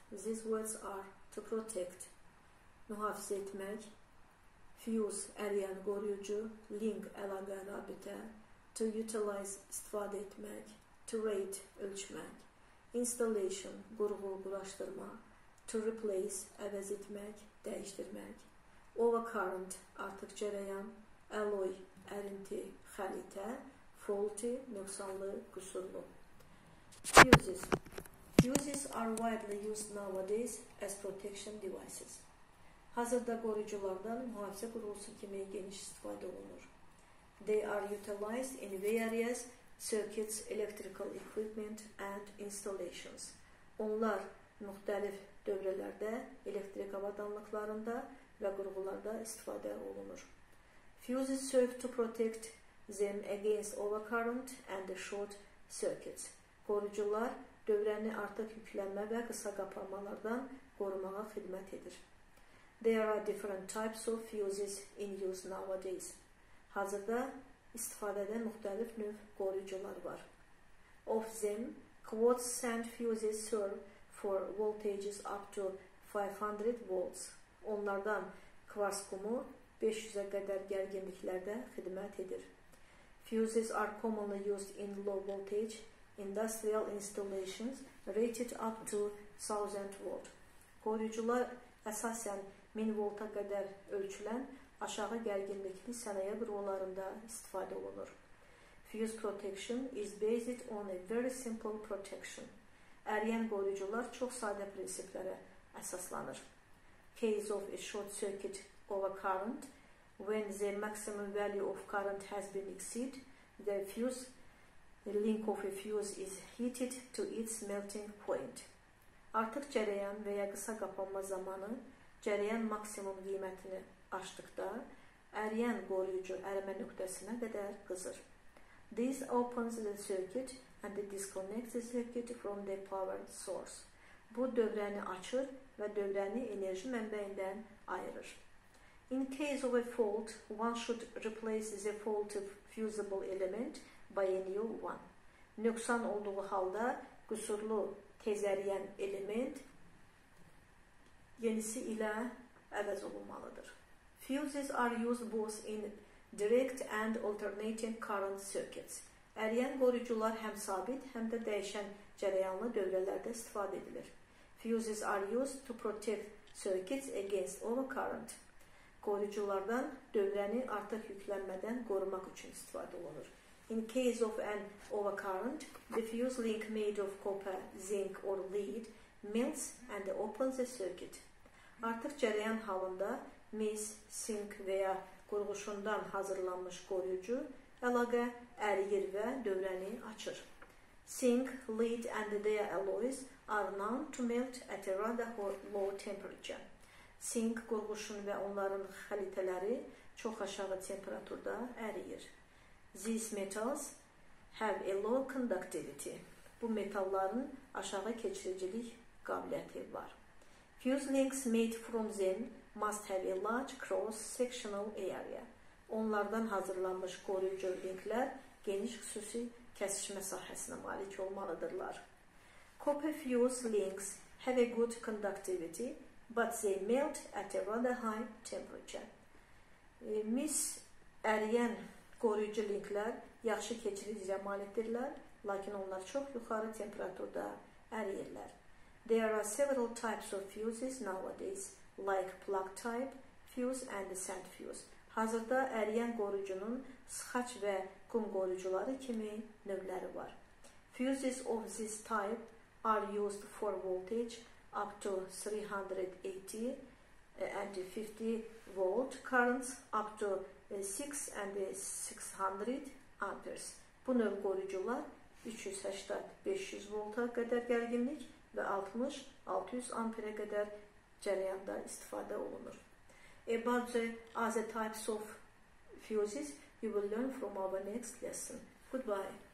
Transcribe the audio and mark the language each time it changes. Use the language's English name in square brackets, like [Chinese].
[English] These words are to protect, muhafaza etmek, fuse, eriyen koruyucu, link, alaka, rabite, to utilize, istifade etmek, to rate, ölçmek, installation, kurgu, kuraştırma, to replace, əvəz etmek, değiştirmek, overcurrent, artık cereyan, alloy, erinti, xəlitə, faulty, nöqsanlı, kusurlu. Fuses. Fuses are widely used nowadays as protection devices. [Azerbaijani] Hazırda koruyuculardan mühafizə qurğusu kimi geniş istifadə olunur. [English] They are utilized in various circuits, electrical equipment and installations. [Azerbaijani] Onlar müxtəlif dövrələrdə, elektrik avadanlıqlarında və qurğularda istifadə olunur. [English] Fuses serve to protect them against overcurrent and the short circuits. [Azerbaijani] Koruyucular dövrəni artıq yüklənmə və qısa qapanmalardan qorumağa xidmət edir. [English] There are different types of fuses in use nowadays. [Azerbaijani] Hazırda istifadədə müxtəlif növ qoruyucular var. [English] Of them, quartz sand fuses serve for voltages up to 500 volts. [Azerbaijani] Onlardan kvars qumu 500-ə qədər gərginliklərdə xidmət edir. [English] Fuses are commonly used in low voltage industrial installations rated up to 1000 volt. [Azerbaijani] Qoruyucular əsasən 1000 volta qədər ölçülən aşağı gərginlikli sənaye qurğularında istifadə olunur. [English] Fuse protection is based on a very simple protection. [Azerbaijani] Əriyən qoruyucular çox sadə prinsiplərə əsaslanır. [English] Case of a short circuit overcurrent, when the maximum value of current has been exceeded, the link of a fuse is heated to its melting point. [Azerbaijani] Artıq cərəyan və ya qısa qapanma zamanı cərəyan maksimum qiymətini aşdıqda, əriyən qoruyucu ərimə nöqtəsinə qədər qızır. [English] This opens the circuit and disconnects the circuit from the power source. [Azerbaijani] Bu dövrəni açır və dövrəni enerji mənbəyindən ayırır. [English] In case of a fault, one should replace the faulty fusible element by a new one. [Azerbaijani] Nöqsan olduğu halda qüsurlu tezəriyən element yenisi ilə əvəz olunmalıdır. [English] Fuses are used both in direct and alternating current circuits. [Azerbaijani] Əriyən qoruyucular həm sabit, həm də dəyişən cərəyanlı dövrələrdə istifadə edilir. [English] Fuses are used to protect circuits against overcurrent. [Azerbaijani] Qoruyuculardan dövrəni artıq yüklənmədən qorumaq üçün istifadə olunur. [English] In case of an overcurrent, the fuse link made of copper, zinc or lead melts and opens the circuit. [Azerbaijani] Artıq cərəyan halında mis, sink və ya qurğuşundan hazırlanmış qoruyucu əlaqə əriyir və dövrəni açır. [English] Sink, lead and their alloys are known to melt at a rather low temperature. [Azerbaijani] Sink, qurğuşun və onların xəlitələri çox aşağı temperaturda əriyir. [English] These metals have a low conductivity. [Azerbaijani] Bu metalların aşağı keçiricilik qabiliyyəti var. [English] Fuse links made from them must have a large cross-sectional area. [Azerbaijani] Onlardan hazırlanmış qoruyucu linklər geniş xüsusi kəsişmə sahəsinə malik olmalıdırlar. [English] Copper fuse links have a good conductivity, but they melt at a rather high temperature. [Azerbaijani] Mis əriyən qoruyucu linklər yaxşı keçiricilikə malikdirlər, lakin onlar çox yuxarı temperaturda əriyirlər. [English] There are several types of fuses nowadays, like plug type fuse and sand fuse. [Azerbaijani] Hazırda əriyən qoruyucunun sıxac və qum qoruyucuları kimi növləri var. [English] Fuses of this type are used for voltage up to 380 and 50 volt currents up to 6 and 600 amperes. [Azerbaijani] Bu növ qoruyucular 380-500 volta qədər gərginlik və 60-600 amperə qədər cərəyanda istifadə olunur. [English] About the other types of fuses, You will learn from our next lesson. Goodbye.